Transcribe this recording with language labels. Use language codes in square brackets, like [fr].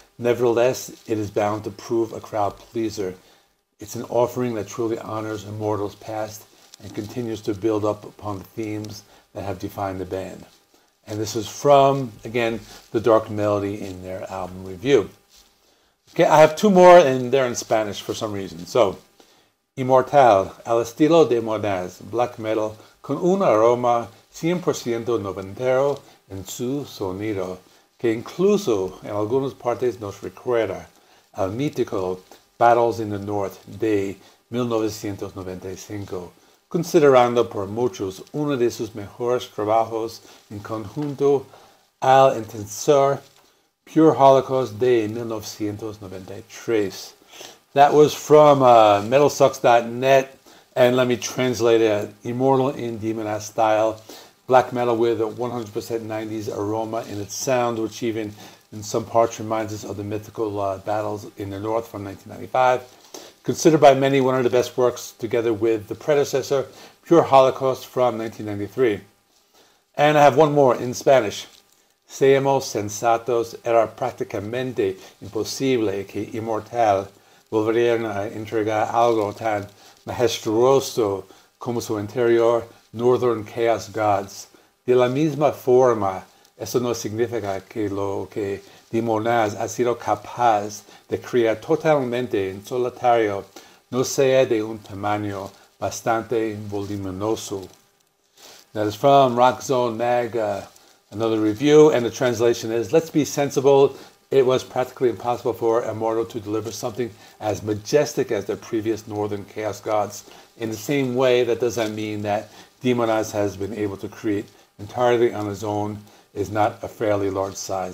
[en] Nevertheless, it is bound to prove a crowd pleaser. It's an offering that truly honors Immortal's past and continues to build up upon the themes that have defined the band. And this is from, again, The Dark Melody in their album review. Okay, I have two more, and they're in Spanish for some reason. So, [es] Immortal, al estilo de Demonaz, black metal, con un aroma 100% noventero en su sonido, que incluso en algunas partes nos recuerda al mítico Battles in the North de 1995, considerando por muchos uno de sus mejores trabajos en conjunto al intensor Pure Holocaust de 1993. [en] That was from metalsucks.net, and let me translate it. Immortal in Demonaz style, black metal with a 100% 90s aroma in its sound, which even in some parts reminds us of the mythical Battles in the North from 1995. Considered by many one of the best works, together with the predecessor, Pure Holocaust from 1993. And I have one more in Spanish. [es] Seamos sensatos, era prácticamente imposible que Immortal volverían a entregar algo tan majestuoso como su anterior Northern Chaos Gods. De la misma forma, eso no significa que lo que Demonaz ha sido capaz de crear totalmente en solitario no sea de un tamaño bastante voluminoso. [en] That is from Rock Zone Mag, another review, and the translation is, let's be sensible. It was practically impossible for Immortal to deliver something as majestic as their previous Northern Chaos Gods. In the same way, that doesn't mean that Demonaz has been able to create entirely on his own is not a fairly large size.